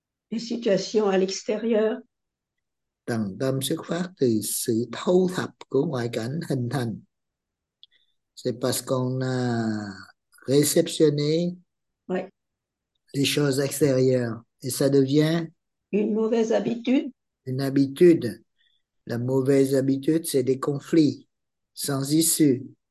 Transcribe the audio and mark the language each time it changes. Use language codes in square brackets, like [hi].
[fr] Les situations à l'extérieur. [vi] Trần tâm xuất phát từ sự thu thập của ngoại cảnh hình thành. [fr] C'est parce qu'on a réceptionner les choses extérieures et ça devient Une mauvaise habitude. une habitude. La mauvaise habitude, c'est des conflits sans issue.